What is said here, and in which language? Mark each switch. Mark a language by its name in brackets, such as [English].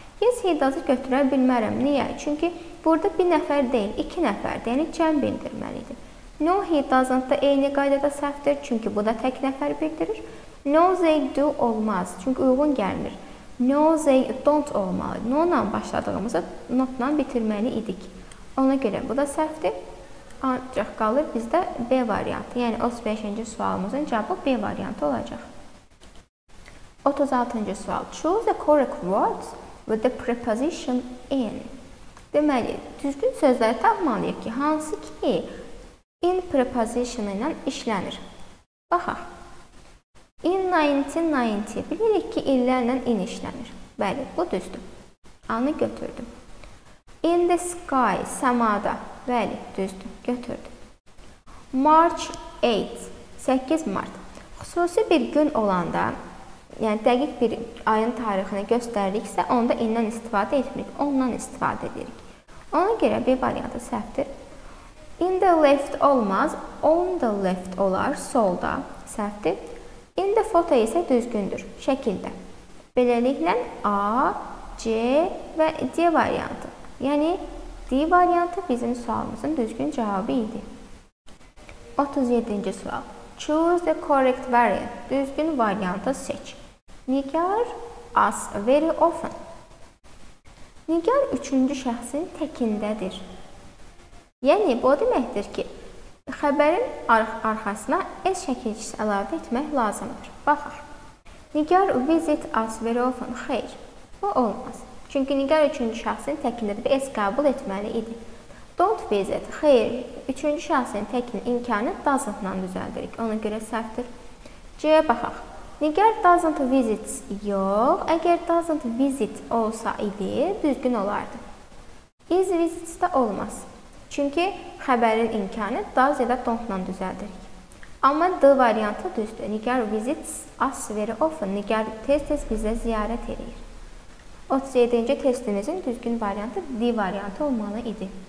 [English] Yes, he does- [Azerbaijani] ı götürə bilmərəm. Niyə? Çünki burada bir nəfər deyil, 2 nəfərdir. Yəni, cəm bildirməliydi. [English] No, he doesn't [Azerbaijani] da eyni qaydada səhvdir. Çünki bu da tək nəfər bildirir. [English] No, they do [Azerbaijani] olmaz. Çünki uyğun gəlmir. [English] No, they don't [Azerbaijani] olmalı. No-la başladığımızı not-la bitirməli idik. Ona görə bu da səhvdir. Ancaq qalır bizdə B variantı. Yəni, 35-ci sualımızın cavabı B variantı olacaq. 36-cı sual. [English] Choose the correct words with the preposition in. [Azerbaijani] Deməli, düzgün sözləri tapmalıyıq ki, hansı ki in preposition ilə işlənir. Baxaq. [English] In 1990, [Azerbaijani] bilirik ki, illərlə in işlənir. Bəli, bu düzdür. Anı götürdüm. [English] In the sky, [Azerbaijani] səmada. Bəli, düzdür, götürdüm. [English] March 8, [Azerbaijani] 8 Mart. Xüsusi bir gün olanda, yəni dəqiq bir ayın tarixini göstəririksə, onda in-dən istifadə etmirik, ondan istifadə edirik. Ona görə bir variantı səhvdir. [English] In the left [Azerbaijani] olmaz, [English] on the left [Azerbaijani] olar, solda səhvdir. İndə foto isə düzgündür, şəkildə. Beləliklə, A, C və D variantı. Yəni, D variantı bizim sualımızın düzgün cavabı idi. 37-ci sual. [English] Choose the correct variant. [Azerbaijani] Düzgün variantı seç. Nigar [English] as very often. [Azerbaijani] Nigar üçüncü şəxsin təkindədir. Yəni, bu deməkdir ki, xəbərin arxasına S şəkilçisi əlavə etmək lazımdır. Baxaq. [English] Nigar visit us very often. [Azerbaijani] Xeyr, bu olmaz. Çünki Nigar üçüncü şəxsin təkində bir S qəbul etməli idi. Don't visit. Xeyr, üçüncü şəxsin təkində imkanı doesn't-dan düzəldirik. Ona görə səhvdir. C-yə baxaq. [English] Nigar doesn't visit. [Azerbaijani] Yox, əgər [English] doesn't visit [Azerbaijani] olsa idi, düzgün olardı. [English] Is visit [Azerbaijani] də olmaz. Çünki xəbərin imkanı does ya da don't-la düzəldirik. Amma D variantı düzdür. [English] Nigar visits us very often. [Azerbaijani] Nigar tez-tez bizə ziyarət edir. 37-ci testimizin düzgün variantı D variantı olmalı idi.